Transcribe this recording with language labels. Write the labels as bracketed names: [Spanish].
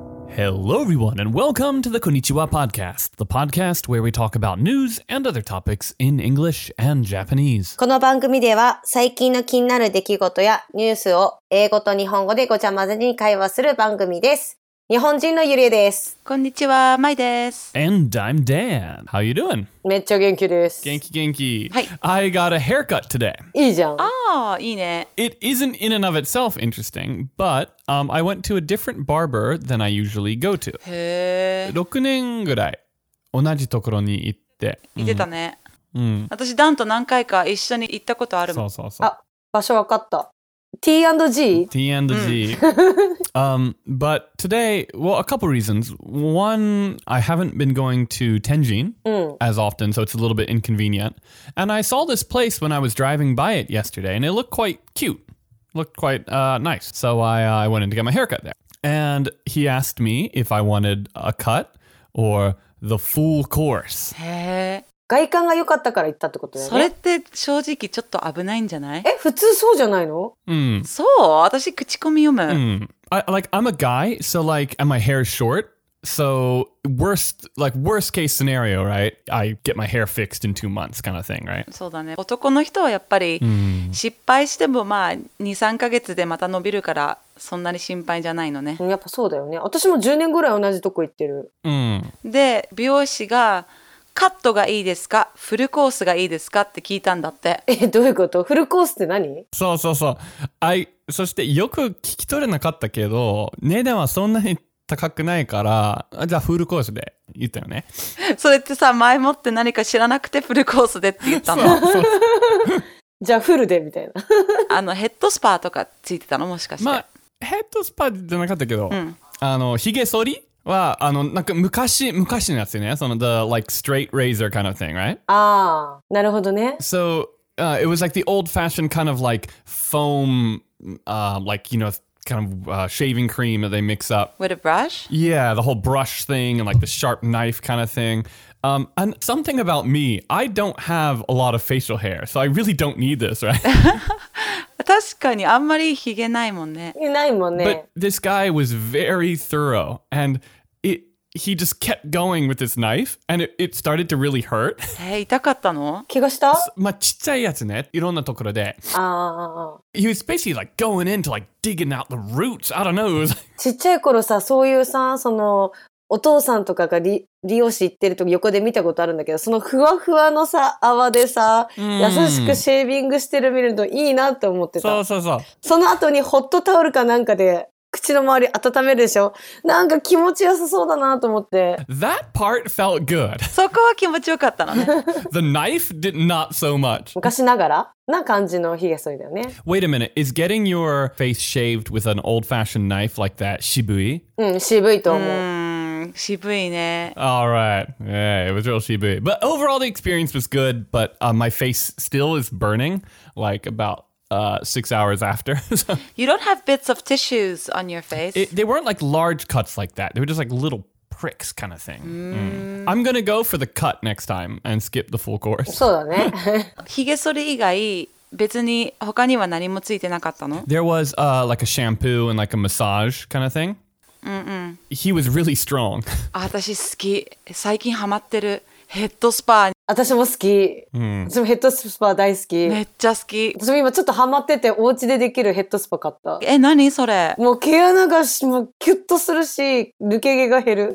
[English] Hello everyone and welcome to the Konnichiwa Podcast, the podcast where we talk about news and other topics in English and Japanese. [Japanese] この番組では最近の気になる出来事やニュースを英語と日本語でごちゃ混ぜに会話する番組です。日本人のゆりえです。こんにちは、まいです。 [English] And I'm Dan. How are you doing? [Japanese] めっちゃ元気です。元気元気。はい。 [English] I got a haircut today. [Japanese] いいじゃん。ああ、いいね。 [English] It isn't in and of itself interesting, but、I went to a different barber than I usually go to. [Japanese] へえ。6年ぐらい同じところに行って。行ってたね。うん。私、ダンと何回か一緒に行ったことあるもん。そうそうそう。あ、場所わかった。T&G. [English] But today, well, a couple reasons. One, I haven't been going to Tenjin as often, so it's a little bit inconvenient. And I saw this place when I was driving by it yesterday, and it looked quite cute. Looked quite nice. So I went in to get my haircut there. And he asked me if I wanted a cut or the full course. Hey. [Japanese] 外観が良かったから行ったってことだよね。それって正直ちょっと危ないんじゃない？え、普通そうじゃないの？そう、私口コミ読む。 [English] I'm a guy, so like, and my hair is short. So worst, like worst case scenario, right? I get my hair fixed in 2 months kind of thing, right? [Japanese] そうだね。男の人はやっぱり失敗してもまあ2、3ヶ月でまた伸びるからそんなに心配じゃないのね。やっぱそうだよね。私も10年ぐらい同じとこ行ってる。で、美容師がカットがいいですか、フルコースがいいですかって聞いたんだって。え、どういうこと？フルコースって何？そうそうそう。そしてよく聞き取れなかったけど、値段はそんなに高くないから、じゃあフルコースで言ったよね。それってさ、前もって何か知らなくてフルコースでって言ったの。そうそうそう。じゃあフルでみたいな。あのヘッドスパとかついてたの、もしかして？まあヘッドスパじゃなかったけど、うん、あのひげ剃り？は、あの、なんか昔のやつね。 [English] その、the, like, straight razor kind of thing, right? [Japanese] ああ、なるほどね。 [English] So, it was like the old-fashioned kind of, like, foam, like, you know, kind of shaving cream that they mix up. With a brush? Yeah, the whole brush thing and, like, the sharp knife kind of thing. And something about me, I don't have a lot of facial hair, so I really don't need this, right? [Japanese] 確かにあんまりヒゲないもんね。ないもんね。 [English] But this guy was very thorough, and he just kept going with his knife, and it started to really hurt. [Japanese] 痛かったの？怪我した？まあ、ちっちゃいやつね。いろんなところで。ああ。 [English] He was basically like going in to like digging out the roots. I don't know. [Japanese] ちっちゃい頃さ、そういうさ、そのお父さんとかが理容師行ってるとき横で見たことあるんだけど、そのふわふわのさ泡でさ、優しくシェービングしてる見るといいなって思ってた。そうそうそう。その後にホットタオルかなんかで口の周り温めるでしょ。なんか気持ちよさそうだなと思って。 [English] That part felt good. [Japanese] そこは気持ちよかったのね。 [English] The knife did not so much. [Japanese] 昔ながらな感じのヒゲ剃りだよね。 [English] Wait a minute. Is getting your face shaved with an old-fashioned knife like that 渋 [Japanese] い？うん、渋いと思う。渋いね。 [English] All right. Yeah, it was real 渋い. But overall, the experience was good, but my face still is burning, like about 6 hours after. You don't have bits of tissues on your face. They weren't like large cuts like that. They were just like little pricks kind of thing. I'm going to go for the cut next time and skip the full course. [Japanese] そうだね。ヒゲ剃り以外、別に他には何もついてなかったの？ [English] There was like a shampoo and like a massage kind of thing. He was really strong. [Japanese] 私好き。最近ハマってるヘッドスパ。私も好き。私もヘッドスパ大好き。めっちゃ好き。私も今ちょっとハマってて、お家でできるヘッドスパ買った。え、何それ？もう毛穴がもうキュッとするし、抜け毛が減る。